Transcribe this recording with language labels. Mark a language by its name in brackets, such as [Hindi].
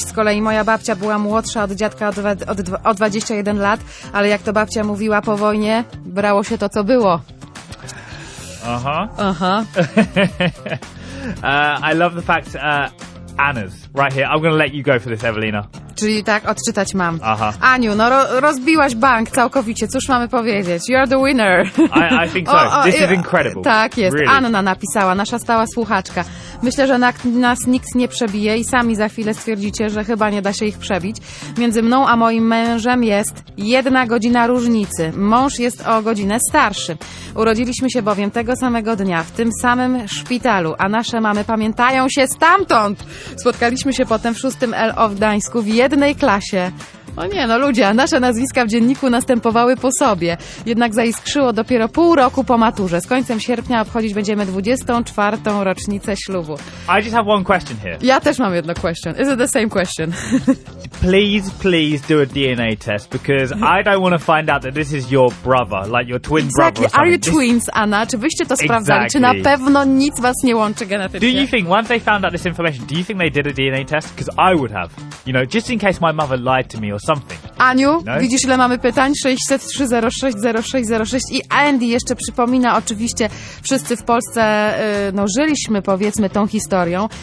[Polish] Z kolei moja babcia była młodsza od dziadka od 21 lat, ale jak to babcia mówiła po wojnie, brało się to, co było. Aha. Aha. [English] I love the fact, Anna's right here. I'm going to let you go for this, Evelina. [Polish] Czyli tak, odczytać mam. Aha. Aniu, no rozbiłaś bank całkowicie. Cóż mamy powiedzieć? [English] You're the winner. I think so. This is incredible. [Polish] Tak jest. [English] Really. [Polish] Anna napisała, nasza stała słuchaczka. Myślę, że nas nikt nie przebije i sami za chwilę stwierdzicie, że chyba nie da się ich przebić. Między mną a moim mężem jest 1 godzina różnicy. Mąż jest o godzinę starszy. Urodziliśmy się bowiem tego samego dnia, w tym samym szpitalu, a nasze mamy pamiętają się stamtąd. Spotkaliśmy się potem w 6 LO w Gdańsku w jednej klasie. O nie, no ludzie, nasze nazwiska w dzienniku następowały po sobie. Jednak zaiskrzyło dopiero pół roku po maturze. Z końcem sierpnia obchodzić będziemy 24. rocznicę ślubu. [English] I just have one question here. [Polish] Ja też mam jedno question. [English] Is it the same question? Please, please do a DNA test, because I don't want to find out that this is your brother, like your twin exactly. brother. Exactly. Are you twins, Anna? [Polish] Czy byście to sprawdzali? [English] Exactly. [Polish] Czy na pewno nic was nie łączy genetycznie? [English] Do you think, once they found out this information, do you think they did a DNA test? Because I would have. You know, just in case my mother lied to me or something. [Polish] Aniu, no? Widzisz, ile mamy pytań? 603-06-0606. I Andy jeszcze przypomina, oczywiście wszyscy w Polsce no, żyliśmy, powiedzmy, tą historią.